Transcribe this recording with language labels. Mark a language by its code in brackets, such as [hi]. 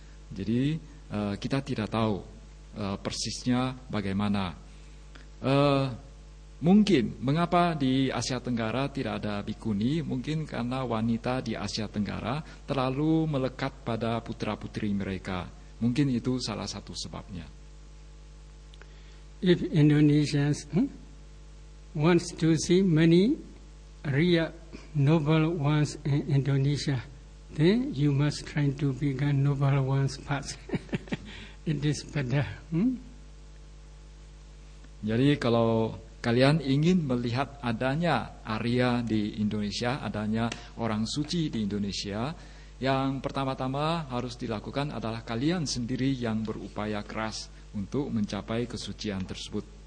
[id] Jadi kita tidak tahu persisnya bagaimana. Mungkin, mengapa di Asia Tenggara tidak ada bikuni? Mungkin karena wanita di Asia Tenggara terlalu melekat pada putra-putri mereka. Mungkin itu salah satu sebabnya. [en] If Indonesians wants to see many real noble ones in Indonesia, then you must try to become noble ones first. It is better. [id] Jadi kalau kalian ingin melihat adanya Arya di Indonesia, adanya orang suci di Indonesia, yang pertama-tama harus dilakukan adalah kalian sendiri yang berupaya keras untuk mencapai kesucian tersebut.